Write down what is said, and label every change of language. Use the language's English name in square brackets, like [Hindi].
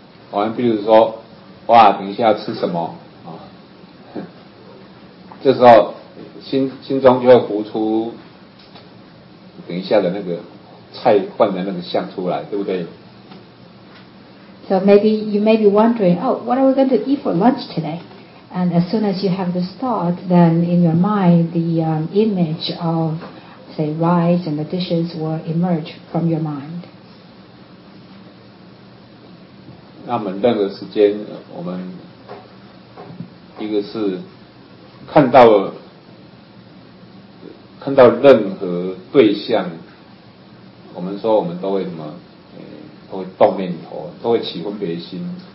[Chinese] 我们比如说，哇，等一下要吃什么啊？这时候心中就会浮出等一下的那个菜饭的那个相出来，对不对 [English] ？So maybe you may be wondering, oh, what are we going to eat for lunch today? And as soon as you have this thought, then in your mind the image of, say, rice and the dishes will emerge from your mind. [Chinese] 那我们任何时间，我们一个是看到任何对象，我们说我们都会什么，都会动念头，都会起分别心。